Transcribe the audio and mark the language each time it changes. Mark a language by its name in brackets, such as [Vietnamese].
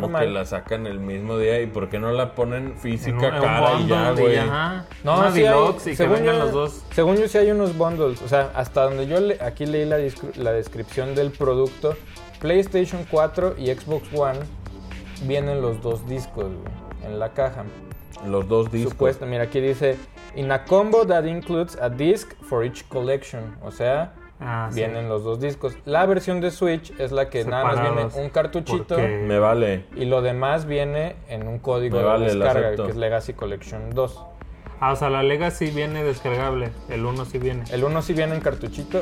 [Spanish] como que la sacan el mismo día. ¿Y por qué no la ponen física cara y ya, güey? Ajá. No, una Deluxe y que vengan los dos. Según yo, sí hay unos bundles. O sea, hasta donde yo aquí leí la descripción del producto, PlayStation 4 y Xbox One vienen los dos discos, güey, en la caja. Los dos discos. Supuesto. Mira, aquí dice, [English] in a combo that includes a disc for each collection. [Spanish] O sea, vienen los dos discos. La versión de Switch es la que separados, nada más viene un cartuchito. Porque... Me vale. Y lo demás viene en un código me de vale, descarga, que es Legacy Collection 2. Ah, o sea, la Legacy viene descargable. El 1 sí viene. El 1 sí viene en cartuchito.